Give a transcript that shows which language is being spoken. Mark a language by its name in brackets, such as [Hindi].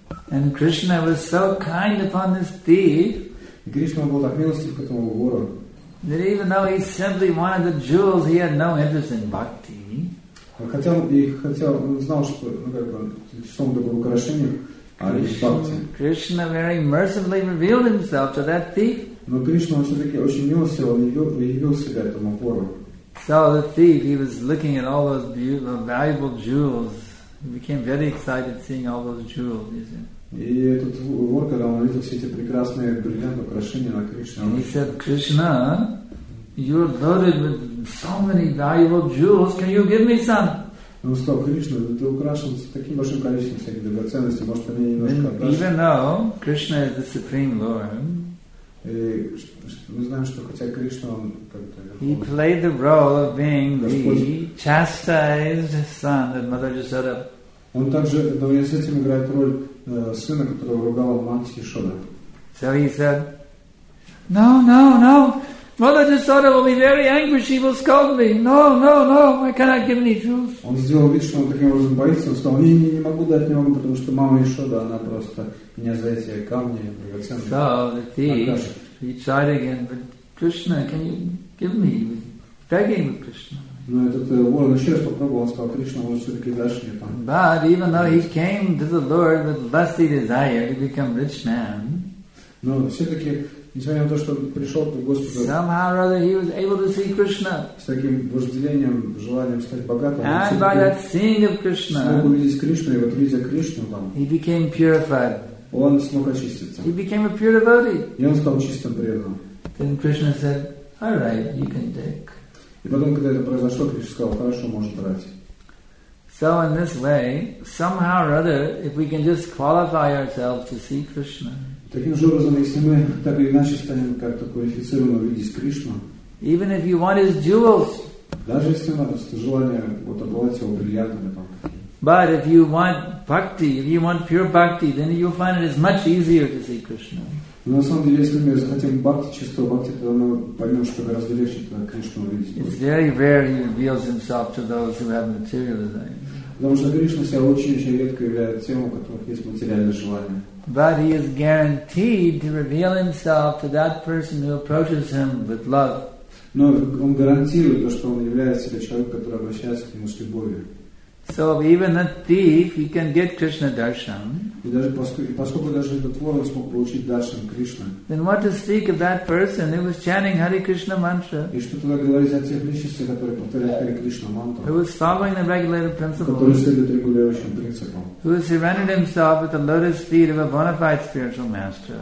[English] And Krishna was so kind upon this thief. [Russian] И Кришна был так милостив к этому вору. [English] That even though he simply wanted the jewels, he had no interest in bhakti. [Russian] Хотя он знал, что сон такое украшение, а не бхакти. [English] Krishna very mercifully revealed himself to that thief. [Russian] Но Кришна все-таки очень милостиво явил себя этому вору. [English] So the thief, he was looking at all those beautiful, valuable jewels. He became very excited seeing all those jewels, you see. [Russian] И этот вор, когда он увидел все эти прекрасные бриллианты, украшения на Кришне, он сказал: [English] «Кришна, you are loaded with so many valuable jewels. Can you give me some?» [Russian] Он сказал: «Кришна, ты украшен с таким большим количеством всяких драгоценностей, может, мне немножко отдашь?» [English] Even though Krishna is the supreme lord, [Russian] мы знаем, что хотя Кришна он как-то [English] he played the role of being the chastised son that Mother Yashoda. [Russian] Он также, но он с этим играет роль сына, которого ругала мать Яшода. [English] So he said, no, no, no. Mother Yashoda will be very angry. She will scold me. No, no, no. I cannot give any jewels. [Russian] Он сделал вид, что он таким образом боится. Он сказал, не могу дать вам, потому что мама Яшода, она просто меня за эти камни, драгоценные. [English] So the thief, he tried again, but Krishna, can you give me? He was begging with Krishna. But even though he came to the Lord with lusty desire to become rich man, somehow or other he was able to see Krishna. And by that seeing of Krishna, he became purified. He became a pure devotee. Then Krishna said, all right, you can take. [Russian] И потом, когда это произошло, Кришна сказал, хорошо, можешь брать. [English] So in this way, somehow or other, if we can just qualify ourselves to see Krishna, [Russian] таким же образом, если мы так или иначе станем как-то квалифицированно видеть Кришну, [English] even if you want his jewels, [Russian] даже если у нас желание вот обладать его бриллиантами, там, [English] but if you want bhakti, if you want pure bhakti, then you'll find it is much easier to see Krishna. [Russian] На самом деле, если мы захотим бхакти, чистого бхакти, то мы поймем, что гораздо легче это Кришну увидеть. [English] It's very rare he reveals himself to those who have material desire. [Russian] Потому что Кришна себя очень-очень редко являет тем, у которых есть материальное желание. [English] But he is guaranteed to reveal himself to that person who approaches him with love. [Russian] Но он гарантирует то, что он является себя человеком, который обращается к нему с любовью. [English] So if even a thief, he can get Krishna darshan. Then what to speak of that person who was chanting Hare Krishna mantra? Who was following the regulated principle? Who has surrendered himself at the lotus feet of a bona fide spiritual master?